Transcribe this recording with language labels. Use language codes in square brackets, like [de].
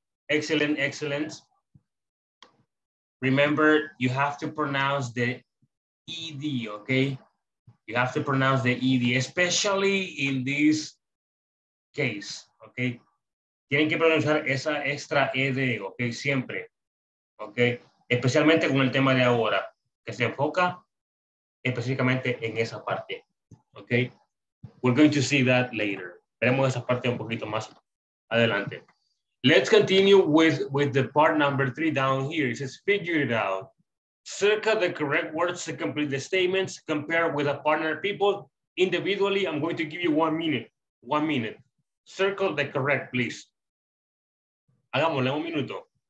[en] Excellent, excellent. Remember, you have to pronounce the ED, okay? You have to pronounce the ED, especially in this case, okay? [es] Tienen que pronunciar esa extra ED, okay? Siempre, okay? Especialmente con el tema de ahora, que se enfoca específicamente en esa parte, okay? [en] We're going to see that later. [es] Veremos esa parte un poquito más adelante. [en] Let's continue with the part number three down here. It says, figure it out. Circle the correct words to complete the statements, compare with a partner people. Individually, I'm going to give you 1 minute. 1 minute. Circle the correct, please. [es] Hagámosle un minuto.